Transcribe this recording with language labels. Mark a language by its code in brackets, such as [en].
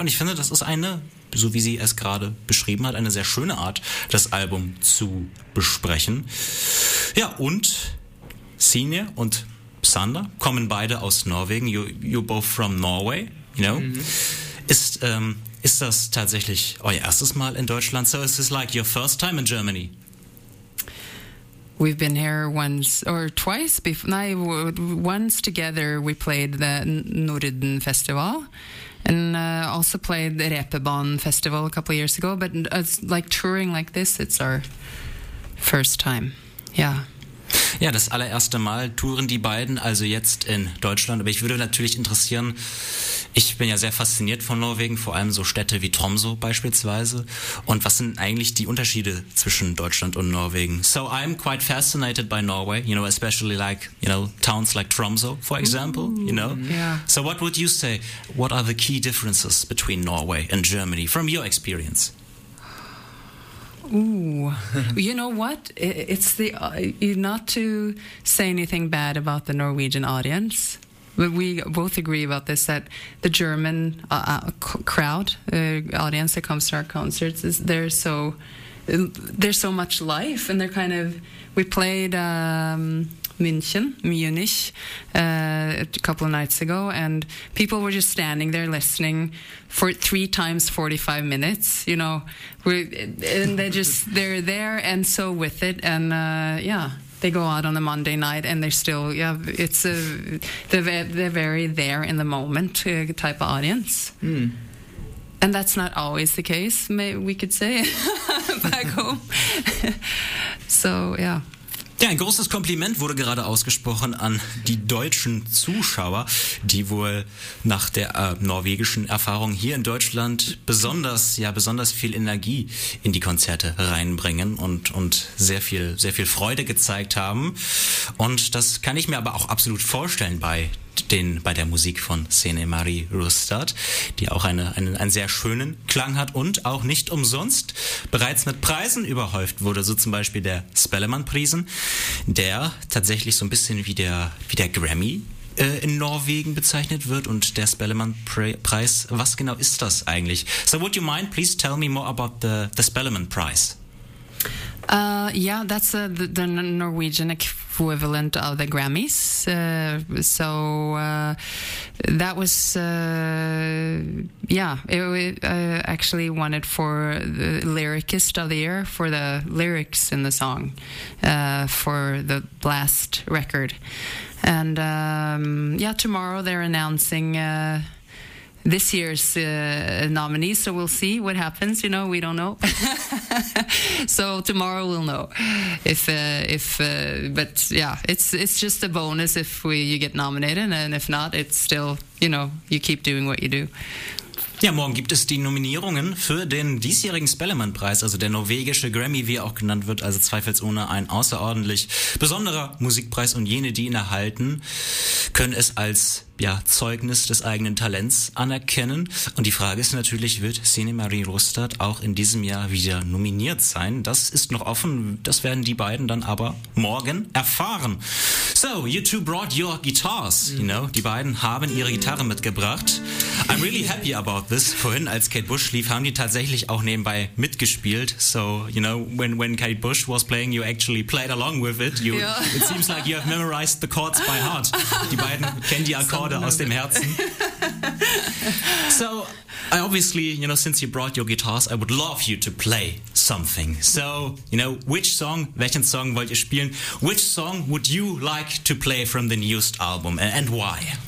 [de] Und ich finde, das ist eine, so wie sie es gerade beschrieben hat, eine sehr schöne Art, das Album zu besprechen. Ja, und Signe und Sander kommen beide aus Norwegen. [en] You're both from Norway, you know. Mm-hmm. [de] Ist das tatsächlich euer erstes Mal in Deutschland? [en] So is this like your first time in Germany? We've been here once or twice before. Once together we played the Norden Festival. And also played the Repebon Festival a couple of years ago. But touring like this, it's our First time, yeah. [de] Ja, das allererste Mal touren die beiden, also jetzt in Deutschland. Aber ich würde natürlich interessieren, ich bin ja sehr fasziniert von Norwegen, vor allem so Städte wie Tromsø beispielsweise. Und was sind eigentlich die Unterschiede zwischen Deutschland und Norwegen? [en] So I'm quite fascinated by Norway, you know, especially like, you know, towns like Tromsø, for example, you know. Yeah. So what would you say, what are the key differences between Norway and Germany from your experience? Ooh, you know what? It's the not to say anything bad about the Norwegian audience, but we both agree about this, that the German crowd, audience that comes to our concerts, is there's so much life, and they're kind of, we played Munich, a couple of nights ago, and people were just standing there listening for 3 times 45 minutes, you know, and they're there and so with it, and yeah, they go out on a Monday night and they're still, yeah, it's a, they're very there in the moment type of audience. Mm. And that's not always the case, we could say, back home. So, yeah. [de] Ja, ein großes Kompliment wurde gerade ausgesprochen an die deutschen Zuschauer, die wohl nach der norwegischen Erfahrung hier in Deutschland besonders viel Energie in die Konzerte reinbringen und sehr viel Freude gezeigt haben. Und das kann ich mir aber auch absolut vorstellen bei der Musik von Sene Marie Rustad, die auch einen sehr schönen Klang hat und auch nicht umsonst bereits mit Preisen überhäuft wurde. So zum Beispiel der Spellemannprisen, der tatsächlich so ein bisschen wie der Grammy in Norwegen bezeichnet wird. Und der Spellemannpreis, was genau ist das eigentlich? [en] So would you mind, please tell me more about the Spellemannpreis? Yeah, that's the Norwegian equivalent of the Grammys. That was, actually won it for the lyricist of the year, for the lyrics in the song, for the last record. And tomorrow they're announcing this year's nominee, so we'll see what happens, you know, we don't know. So tomorrow we'll know if it's just a bonus if you get nominated, and if not, it's still, you know, you keep doing what you do. [de] Ja, morgen gibt es die Nominierungen für den diesjährigen Spellemannpreis, also der norwegische Grammy, wie er auch genannt wird, also zweifelsohne ein außerordentlich besonderer Musikpreis, und jene, die ihn erhalten, können es als Zeugnis des eigenen Talents anerkennen. Und die Frage ist natürlich, wird Sene Marie Rustad auch in diesem Jahr wieder nominiert sein? Das ist noch offen, das werden die beiden dann aber morgen erfahren. [en] So, you two brought your guitars, you know, [de] die beiden haben ihre Gitarre mitgebracht. [en] I'm really happy about this. [de] Vorhin, als Kate Bush lief, haben die tatsächlich auch nebenbei mitgespielt. [en] So, you know, when Kate Bush was playing, you actually played along with it. It seems like you have memorized the chords by heart. [de] Die beiden kennen die Akkorde aus dem Herzen. [en] So, I obviously, you know, since you brought your guitars, I would love you to play something. So, you know, [de] welchen Song wollt ihr spielen? [en] Which song would you like to play from the newest album, and why?